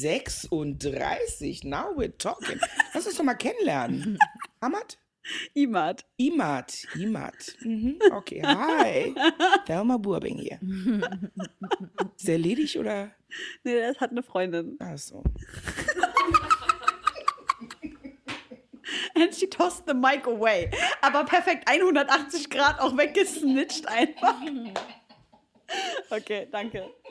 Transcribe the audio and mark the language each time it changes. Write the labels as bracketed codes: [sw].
[en] 36? Now we're talking. [de] Lass uns doch mal kennenlernen. Hamad? Imad. Mhm. Okay, hi. Thelma Burbing hier. Ist der ledig oder? Nee, der hat eine Freundin. Ach so. [en] And she tossed the mic away. [de] Aber perfekt, 180 Grad auch weggesnitcht einfach. Okay, danke.